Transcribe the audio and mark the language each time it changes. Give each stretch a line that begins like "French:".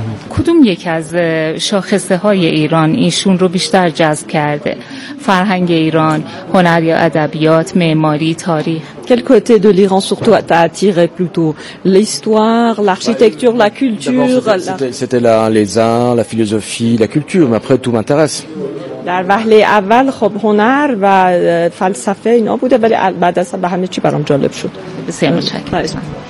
Persian: کدوم یکی از شاخصه های ایران ایشون رو بیشتر جذب کرده؟ فرهنگ ایران، هنر یا ادبیات، معماری، تاریخ؟
French: Quel côté de l'Iran surtout t'a attiré plutôt? L'histoire, l'architecture, la culture? C'était là les arts, la philosophie, la culture, mais après tout m'intéresse.
Persian: در وهله اول خب هنر و فلسفه اینا بوده، ولی بعد از همه چی برام جالب شد. بسیار متشکرم.